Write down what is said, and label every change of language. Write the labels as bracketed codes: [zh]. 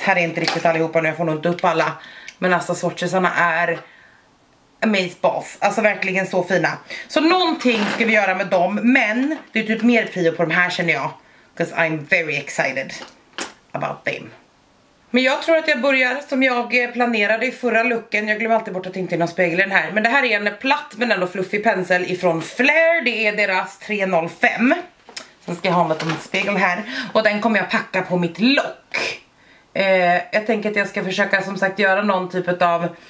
[sv] Här är inte riktigt allihopa nu, jag får nog inte upp alla. Men alltså swatchesarna är amazeballs. Alltså verkligen så fina. Så någonting ska vi göra med dem, men det är typ mer prio på de här känner jag. [en] Because I'm very excited about them. [sv] Men jag tror att jag börjar som jag planerade i förra looken. Jag glömmer alltid bort att det inte är någon spegel i den här. Men det här är en platt men ändå fluffig pensel ifrån Flair. Det är deras 305. Sen ska jag ha en spegel här. Och den kommer jag packa på mitt lock. Jag tänker att jag ska försöka som sagt göra någon typ av